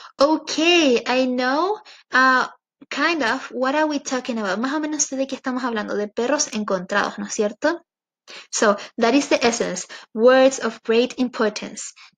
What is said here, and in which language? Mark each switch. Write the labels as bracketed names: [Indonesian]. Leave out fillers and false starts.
[English] Okay, I know, kind of, what are we talking about? [Spanish] Más o menos sé de qué estamos hablando, de perros encontrados, ¿no es cierto? [English] So, that is the essence, words of great importance.